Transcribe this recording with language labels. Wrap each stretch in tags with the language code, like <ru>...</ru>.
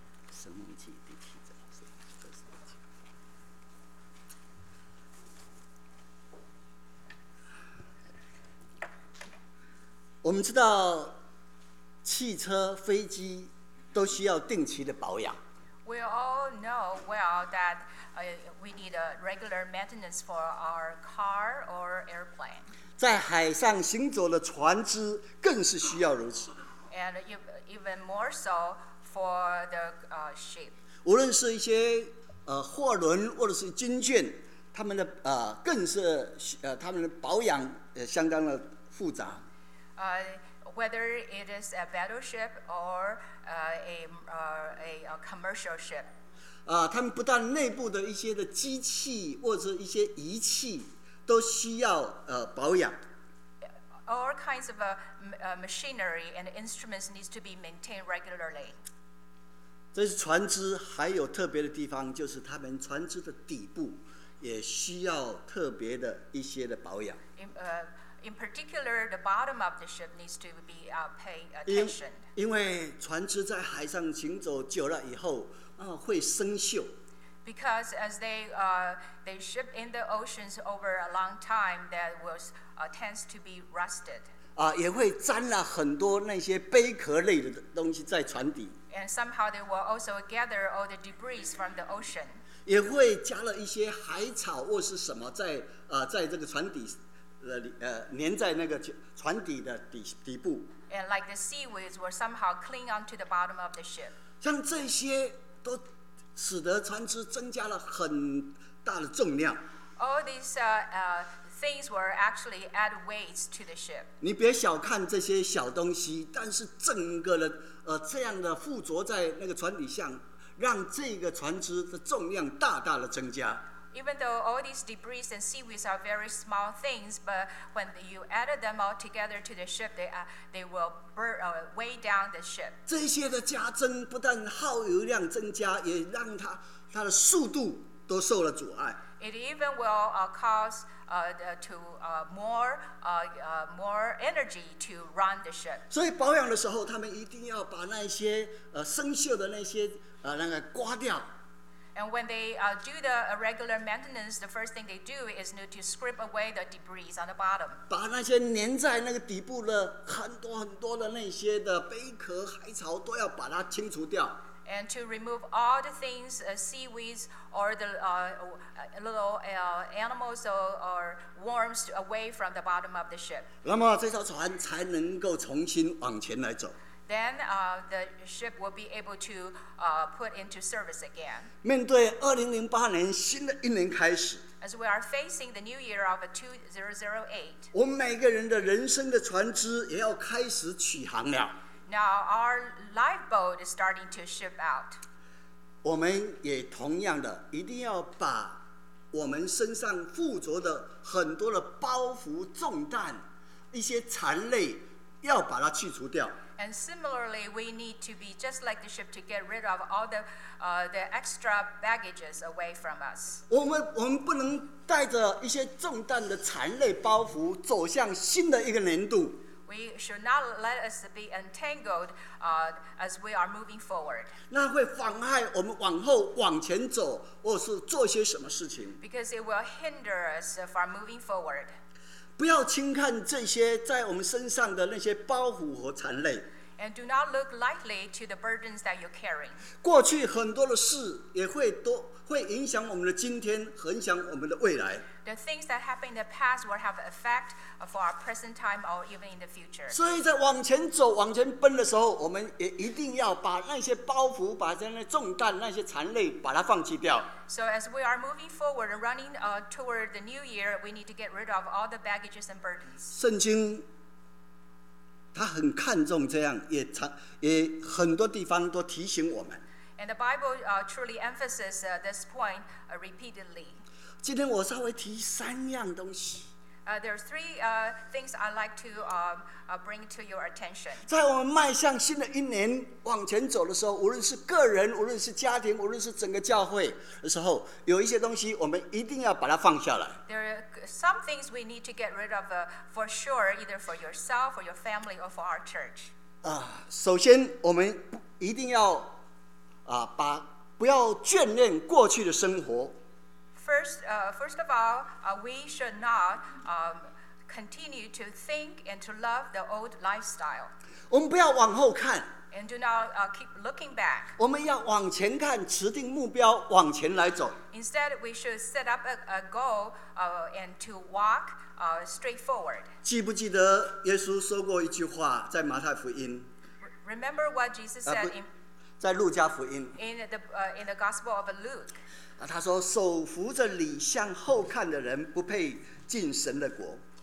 <zh>生命记第七章，我们知道，汽车、飞机都需要定期的保养。</zh> <en>We all know well that we need a regular maintenance for our car or airplane.</en> <zh>在海上行走的船只更是需要如此。</zh> <en>And even more so for the ship.</en> <zh>无论是一些货轮或者是军舰，他们的更是他们的保养相当的复杂。</zh> <en>Whether it is a battleship or a commercial ship.</en> <zh>他们不但内部的一些的机器或者一些仪器。都需要保养。</zh> <en>All kinds of machinery and instruments need to be maintained regularly.</en> <zh>这是船只还有特别的地方，就是他们船只的底部也需要特别的一些的保养。</zh> <en>In particular, the bottom of the ship needs to be pay attention.</en> <zh>因为船只在海上行走久了以后，会生锈。</zh> <en>Because as they ship in the oceans over a long time, that will tends to be rusted.</en> <zh>也会沾了很多那些贝壳类的东西在船底。</zh> <en>And somehow they will also gather all the debris from the ocean.</en> <zh>也会加了一些海草或是什么在在这个船底。粘在那个船底的 底部</zh> <en>and like the seaweeds were somehow cling onto the bottom of the ship.</en> <zh>像这些都使得船只增加了很大的重量。</zh> <en>All these things were actually add weights to the ship.</en> <zh>你别小看这些小东西，但是整个的这样的附着在那个船底下，让这个船只的重量大大的增加。</zh> <en>Even though all these debris and seaweeds are very small things, but when you added them all together to the ship, they will weigh down the ship.</en> <zh>这些的加增不但耗油量增加，也让它的速度都受了阻碍。</zh> <en>It even will cause more energy to run the ship.</en> <zh>所以保养的时候，他们一定要把那些生锈的那些那个刮掉。</zh> <en>And when they do the regular maintenance, the first thing they do is need to scrape away the debris on the bottom.</en> <zh>把那些粘在那个底部的很多很多的那些的贝壳、海草都要把它清除掉。</zh> <en>And to remove all the things, seaweeds or the little animals or worms away from the bottom of the ship.</en> <zh>那么这艘船才能够重新往前来走。</zh> <en>Then the ship will be able to put into service again.</en> <zh>面对2008年新的一年开始，</zh> <en>As we are facing the new year of 2008,</en> <zh>我们每个人的人生的船只也要开始起航了。</zh> <en>Now our lifeboat is starting to ship out.</en> <zh>我们也同样的一定要把我们身上附着的很多的包袱、重担、一些残累要把它去除掉。</zh> <en>And similarly, we need to be just like the ship to get rid of all the extra baggages away from us.</en> <zh>我们不能带着一些重担的残累包袱走向新的一个年度。</zh> <en>We should not let us be entangled as we are moving forward.</en> <zh>那会妨害我们往后往前走，或是做些什么事情。</zh> <en>Because it will hinder us from moving forward.</en> <zh>不要轻看这些在我们身上的那些包袱和残累。</zh> <en>And do not look lightly to the burdens that you're carrying.</en> <zh>过去很多的事也会影响我们的今天，影响我们的未来。</zh> <en>The things that happened in the past will have effect for our present time or even in the future.</en> <zh>所以在往前走、往前奔的时候，我们也一定要把那些包袱、把那些重担、那些残累，把它放弃掉。</zh> <en>So as we are moving forward and running toward the new year, we need to get rid of all the baggages and burdens.</en> <zh>圣经他很看重这样， 也很多地方都提醒我们。</zh> <en>And the Bible truly emphasizes this point repeatedly.</en> <zh>今天我稍微提三样东西。</zh> <en>There are three things I'd like to bring to your attention.</en> <zh>在我们迈向新的一年往前走的时候，无论是个人，无论是家庭，无论是整个教会的时候，有一些东西我们一定要把它放下来。</zh> <en>There are some things we need to get rid of for sure, either for yourself, for your family, or for our church.</en> <zh>首先我们一定要不要眷恋过去的生活。</zh> <en>First of all, we should not continue to think and to love the old lifestyle.</en> <zh>我们不要往后看。</zh> <en>And do not keep looking back.</en> <zh>我们要往前看，持定目标，往前来走。</zh> <en>Instead, we should set up a goal and to walk straightforward.</en> <zh>记不记得耶稣说过一句话，在马太福音？</zh> <en>Remember what Jesus said in</en> <zh>在路加福音。</zh> <en>In the Gospel of Luke.</en> <zh>他说手扶着礼向后看的人不配进神的国。</zh>